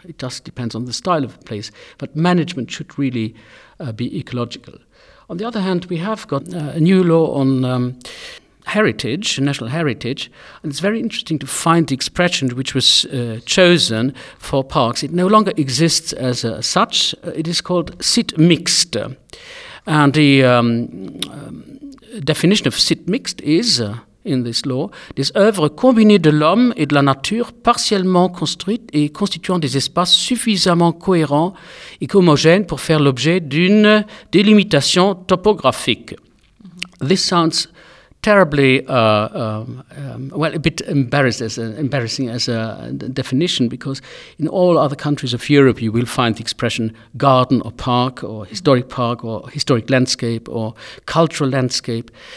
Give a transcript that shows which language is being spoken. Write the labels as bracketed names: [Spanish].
[English] It just depends on the style of the place, but management should really be ecological. On the other hand, we have got a new law on heritage, national heritage, and it's very interesting to find the expression which was chosen for parks. It no longer exists as such. It is called site mixte. And the definition of site mixte is, in this law, [French] des œuvres combinées de l'homme et de la nature, partiellement construites et constituant des espaces suffisamment cohérents et homogènes pour faire l'objet d'une délimitation topographique. Mm-hmm. [English] This sounds terribly, a bit embarrassing as a definition, because in all other countries of Europe you will find the expression garden or park or historic park or historic landscape or cultural landscape.